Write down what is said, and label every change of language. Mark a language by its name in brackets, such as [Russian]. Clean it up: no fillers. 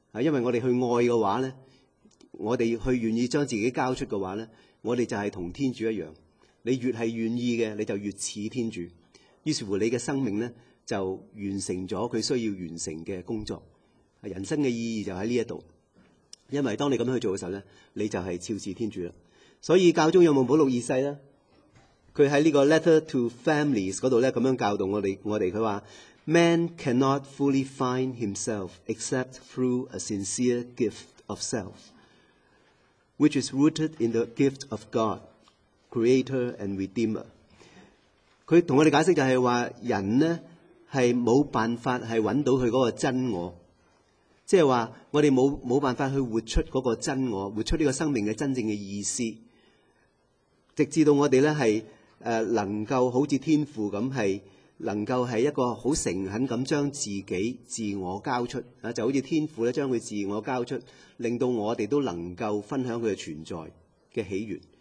[Cantonese] 因为我哋去爱嘅话呢，我哋去愿意将自己交出嘅话呢，我哋就係同天主一样。你越係愿意嘅，你就越似天主。於是乎你嘅生命呢，就完成咗佢需要完成嘅工作。人生嘅意义就喺呢一度。因为当你咁去做嘅时候呢，你就係超似天主啦。所以教宗约望保禄二世呢，佢喺呢个 [English] Letter to Families [Cantonese] 嗰度呢咁样教导我哋，佢话 [English] ,Man cannot fully find himself except through a sincere gift of self, which is rooted in the gift of God, Creator and Redeemer. [Cantonese] 佢同我哋解释就係话，人呢係冇辦法係揾到佢嗰个真我。即係话我哋冇辦法去活出嗰个真我，活出呢个生命嘅真正嘅意思。直至到我哋呢係能够好似天父咁，係能够係一个好诚恳咁将自己自我交出，就好似天父呢将佢自我交出，令到我哋都能够分享佢嘅存在嘅起源。